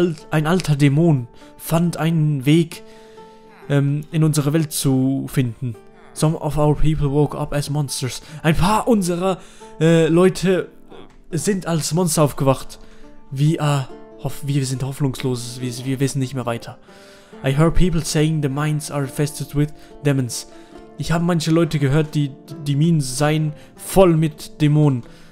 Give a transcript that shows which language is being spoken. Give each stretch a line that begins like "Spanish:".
German: Ein alter Dämon fand einen Weg, in unsere Welt zu finden.
English: Some of our people woke up as monsters.
German: Ein paar unserer Leute sind als Monster aufgewacht. Wir sind hoffnungslos, wir wissen nicht mehr weiter.
English: I heard people saying the mines are infested with demons.
German: Ich habe manche Leute gehört, die Minen seien voll mit Dämonen.